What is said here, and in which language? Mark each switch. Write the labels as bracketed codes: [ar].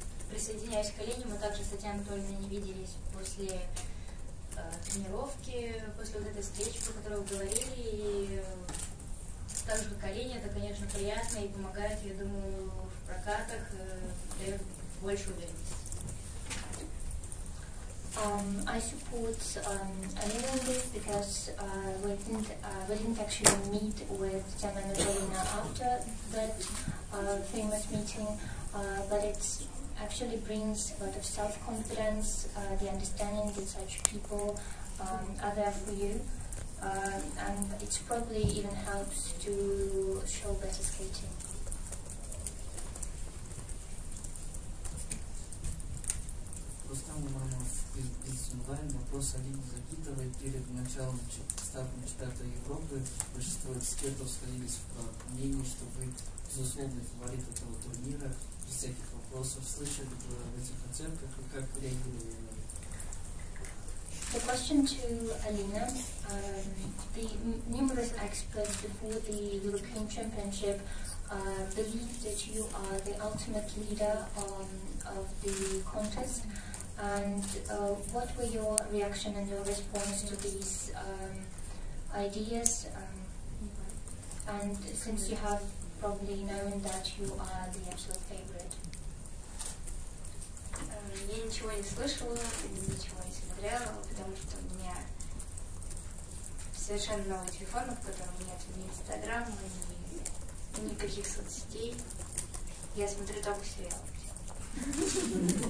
[ru] Присоединяюсь к Алине, мы также с Татьяной Анатольевной не виделись после тренировки, после вот этой встречи, про которую вы говорили, и так же, как Алине, это, конечно, приятно и помогает, я думаю, в прокатах, дает больше уверенности. [en] I support Alina because we didn't actually meet with Татьяна Анатольевна after that famous meeting, but it's actually brings a lot of self-confidence, the understanding that such people are there for you, and it probably even helps to show better skating. [ru] Рустам Умаров из онлайн. Вопрос Алине Загитовой. Перед началом стартом чемпионата Европы большинство экспертов сходились в мнении, что вы безусловный фаворит этого турнира. Без всяких вопросов, слышали вы об этих оценках, и как реагировали на это? [en] The question to Alina. The numerous experts before the European Championship believe that you are the ultimate leader of the contest. And what were your reaction and your response to these ideas? And since you have probably known that you are the absolute favorite. [ru] Я ничего не слышала, ничего не смотрела, потому что у меня совершенно новый телефон, в котором нет ни Инстаграма, ни никаких соцсетей. Я смотрю только сериалы.